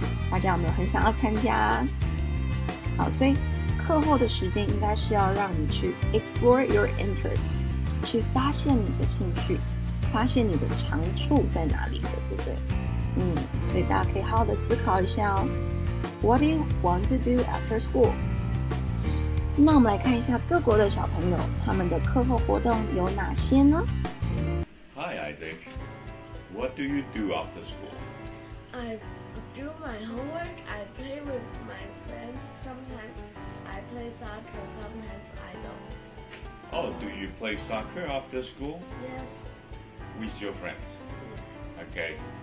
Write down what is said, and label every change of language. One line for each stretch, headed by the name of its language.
Chinese: 大家有没有很想要参加？好，所以课后的时间应该是要让你去
English: explore your interest，
Chinese: 去发现你的兴趣，发现你的长处在哪里的，对不对？所以大家可以好好的思考一下哦。
English: What do you want to do after school？
Chinese: 那我们来看一下各国的小朋友他们的课后活动有哪些呢
English: ？Hi Isaac。 What do you do after school? I do my homework, I play with my friends, sometimes I play soccer, sometimes I don't. Oh, do you play soccer after school? Yes. With your friends? Okay.